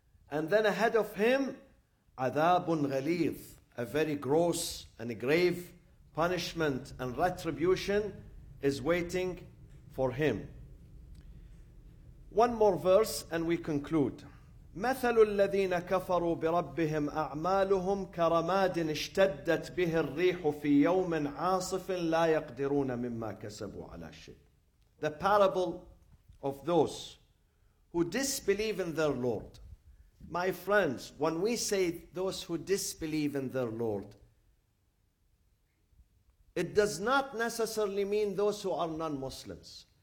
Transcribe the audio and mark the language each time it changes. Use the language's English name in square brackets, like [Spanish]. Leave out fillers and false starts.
[English] And then ahead of him, [Arabic] عذاب غليظ, [English] a very gross and grave punishment and retribution is waiting for him. One more verse and we conclude. [Arabic] مثل الذين كفروا بربهم أعمالهم كرماد اشتدت به الريح في يوم عاصف لا يقدرون مما كسبوا على شيء. [English] The parable of those who disbelieve in their Lord. My friends, when we say those who disbelieve in their Lord, it does not necessarily mean those who are non-Muslims.